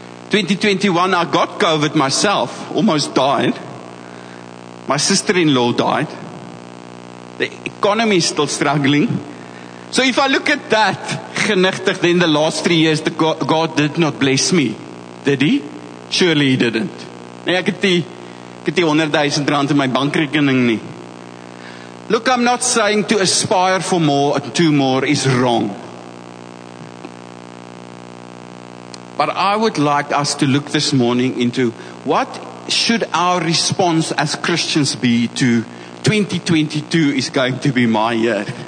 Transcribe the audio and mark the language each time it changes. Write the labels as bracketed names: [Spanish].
[English] 2021, I got COVID myself, almost died. My sister-in-law died. The economy is still struggling. So if I look at that, genuchtig, then the last 3 years, God did not bless me. Did he? Surely he didn't. [Afrikaans] Nee, ek het die 100 000 rand in my bankrekening nie. [English] Look, I'm not saying to aspire for more and to more is wrong. But I would like us to look this morning into what should our response as Christians be to 2022 is going to be my year.